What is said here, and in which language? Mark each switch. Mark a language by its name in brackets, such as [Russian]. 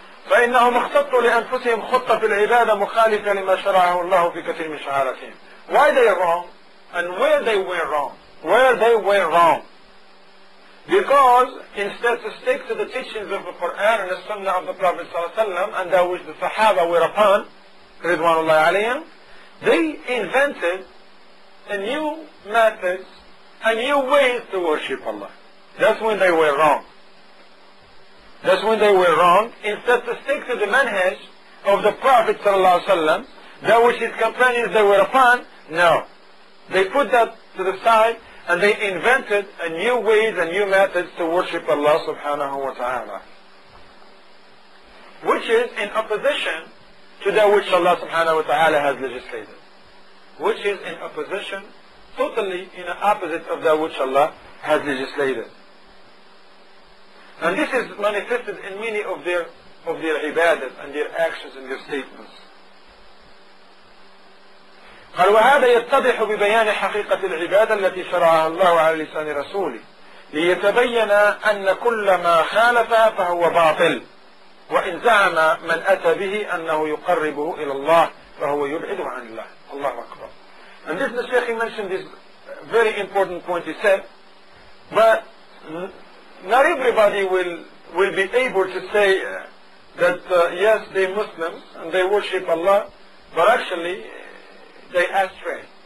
[Arabic] فإنهم اختطوا لأنفسهم خطة في العبادة مخالفة لما شرعه الله في كثير من شعاراتهم. [English] Why they are wrong? and where they went wrong. Where they went wrong. Because instead to stick to the teachings of the Quran and the Sunnah of the Prophet ﷺ and that which the Sahaba were upon, Ridwanullah alayhim, they invented a new method, a new way to worship Allah. That's when they were wrong. That's when they were wrong. Instead to stick to the manhaj of the Prophet ﷺ, that which his companions they were upon, no. They put that to the side and they invented a new ways and new methods to worship Allah subhanahu wa ta'ala. Which is in opposition to that which Allah subhanahu wa ta'ala has legislated. Which is in opposition, totally in the opposite of that which Allah has legislated. And this is manifested in many of their ibadahs and their actions and their statements. [Arabic] قال وهذا يتضح ببيان حقيقة العبادة التي شرعها الله على لسان رسوله ليتبين أن كل ما خالفها فهو باطل وإن زعم من أتى به أنه يقربه إلى الله فهو يبعده عن الله. الله أكبر. [English] And this the Sheikh mentioned this very important point. He said but not everybody will be able to say that yes they Muslims and they worship Allah but actually they astray.